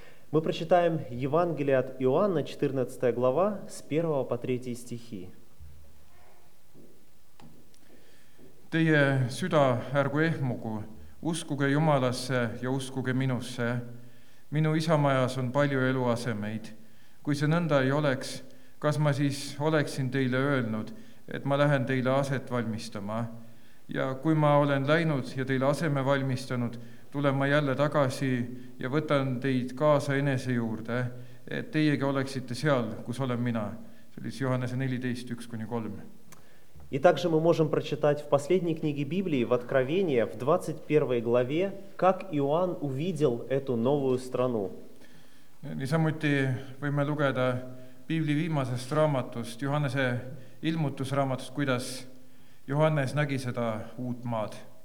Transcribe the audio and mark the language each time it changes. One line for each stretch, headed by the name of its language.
Russian: Мы прочитаем Евангелие от Иоанна, 14 глава, с 1 по 3 стихи.
Estonian: Teie süda ärgu ehmugu, uskuge Jumalasse ja uskuge minusse. Minu isamajas on palju eluasemeid. Kui see nõnda ei oleks, kas ma siis oleksin teile öelnud, et ma lähen teile aset valmistama? Ja kui ma olen läinud ja teile aseme valmistanud, tulen ma jälle tagasi ja võtan teid kaasa enese juurde, et teiegi oleksite seal, kus olen mina. See oli Johannese 14:1-3.
Russian: И также мы можем прочитать в последней книге Библии, в Откровении, в 21 главе, как Иоанн увидел эту новую страну.
Estonian: Niisamuti võime lugeda Biibli viimasest raamatust, Johannese ilmutusraamatust, kuidas Johannes nägi seda uut maad.